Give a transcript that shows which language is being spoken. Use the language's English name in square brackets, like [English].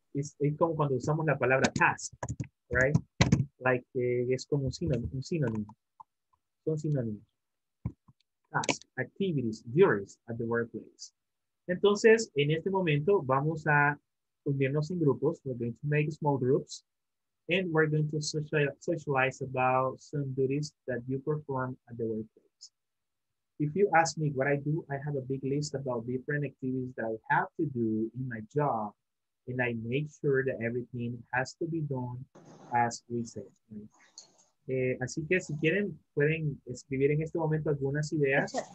[Spanish] Es como cuando usamos la palabra task, right? Like, es como un sinónimo. Son sinónimos. [English] Task, activities, duties at the workplace. [Spanish] Entonces, en este momento, vamos a unirnos en grupos. [English] We're going to make small groups. And we're going to socialize about some duties that you perform at the workplace. If you ask me what I do, I have a big list about different activities that I have to do in my job. And I make sure that everything has to be done as we say. Right? [Spanish] Así que si quieren, pueden escribir en este momento algunas ideas.